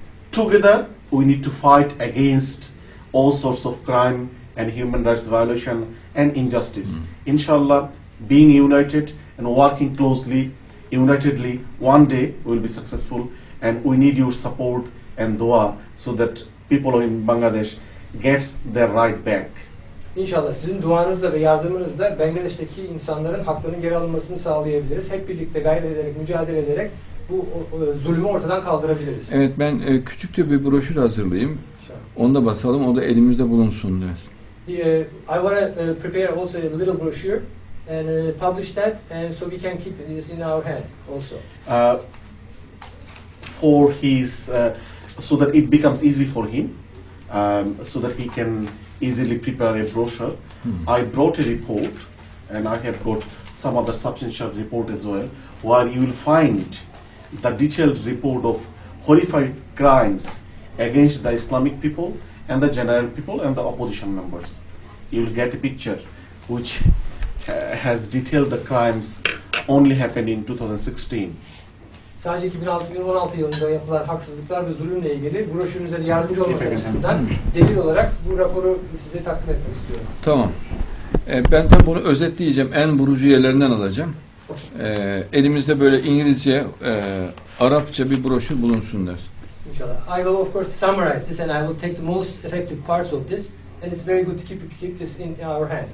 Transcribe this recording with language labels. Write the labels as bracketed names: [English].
[English] Together we need to fight against all sorts of crime and human rights violation and injustice. Inshallah, being united and working closely, unitedly, one day we will be successful and we need your support and dua so that people in Bangladesh gets their right back. [Turkish] İnşallah sizin duanızla ve yardımınızla Bangladeş'teki insanların haklarının geri alınmasını sağlayabiliriz. Hep birlikte gayret ederek, mücadele ederek bu zulmü ortadan kaldırabiliriz. Evet, ben küçük de bir broşür hazırlayayım. İnşallah. Onu da basalım, o da elimizde bulunsun diyoruz. [English] I want to prepare also a little brochure and publish that and so we can keep this in our hand also. For his, so that it becomes easy for him, so that he can easily prepare a brochure. I brought a report, and I have brought some other substantial report as well, where you will find the detailed report of horrified crimes against the Islamic people and the general people and the opposition members. You will get a picture which has detailed the crimes only happened in 2016. [Turkish] Sadece 2016 yılında yapılan haksızlıklar ve zulümle ilgili broşürünüze de yardımcı olması açısından delil olarak bu raporu size takdim etmek istiyorum. Tamam. Ben tabii bunu özetleyeceğim. En vurucu yerlerinden alacağım. Elimizde böyle İngilizce, Arapça bir broşür bulunsun der. İnşallah. [English] I will of course summarize this and I will take the most effective parts of this. And it's very good to keep this in our hand.